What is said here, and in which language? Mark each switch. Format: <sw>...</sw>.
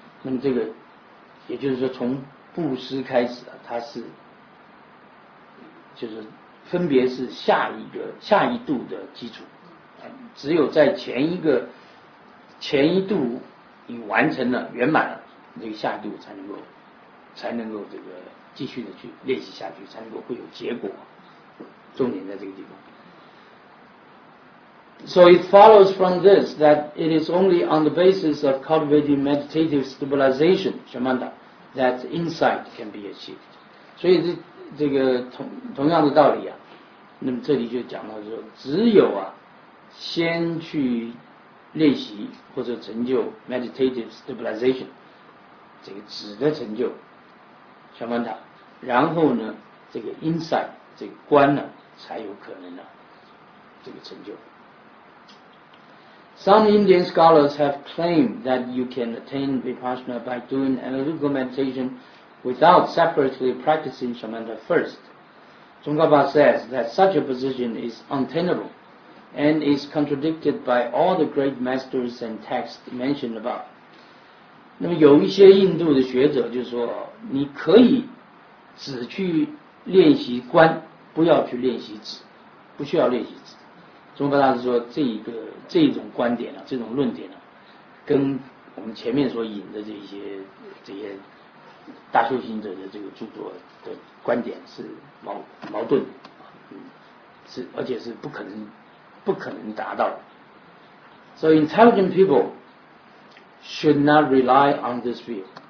<zh>那么这个也就是说从布施开始啊，它是就是分别是下一度的基础。只有在前一度已完成了圆满了，那个下一度才能够这个继续的去练习下去，才能够会有结果。重点在这个地方。</zh> <en>So it follows from this that it is only on the basis of cultivating meditative stabilization, shamatha, that insight can be achieved.</en> <zh>所以这个同样的道理啊，那么这里就讲到说，只有啊，先去练习或者成就</zh> <en>meditative stabilization</en> <zh>这个止的成就 shamatha， 然后呢这个 insight 这个观呢才有可能呢这个成就。</zh> <en>Some Indian scholars have claimed that you can attain vipassana by doing analytical meditation without separately practicing shamatha first. 中高巴 says that such a position is untenableand is contradicted by all the great masters and texts mentioned above.</en> <zh>那么有一些印度的学者就说，你可以只去练习观，不要去练习止，不需要练习止。中国大师说这种观点啊，这种论点啊，跟我们前面所引的这些大修行者的这个著作的观点是矛盾，是而且是不可能达到。</zh> <en>So intelligent people should not rely on this view.</en>